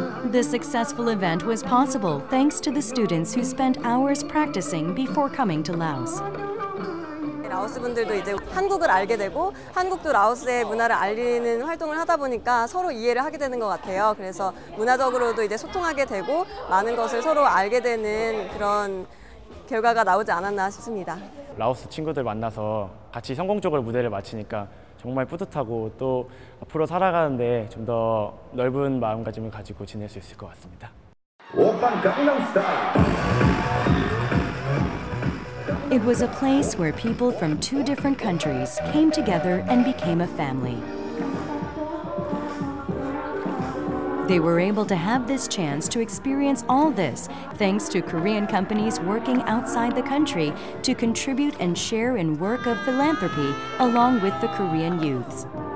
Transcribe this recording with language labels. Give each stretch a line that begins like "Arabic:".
English: The successful event was possible thanks to the students who spent hours practicing before coming to Laos.
Korean: 라오스 분들도 이제 한국을 알게 되고 한국도 라오스의 문화를 알리는 활동을 하다 보니까 서로 이해를 하게 되는 것 같아요. 그래서 문화적으로도 이제 소통하게 되고 많은 것을 서로 알게 되는 그런 결과가 나오지 않았나 싶습니다. 라오스 친구들 만나서 같이 성공적으로 무대를 마치니까 정말 뿌듯하고 또 앞으로 살아가는데 좀 더 넓은 마음가짐을 가지고 지낼 수 있을 것 같습니다. 오빤 강남스타.
English: It was a place where people from two different countries came together and became a family. They were able to have this chance to experience all this thanks to Korean companies working outside the country to contribute and share in work of philanthropy along with the Korean youths.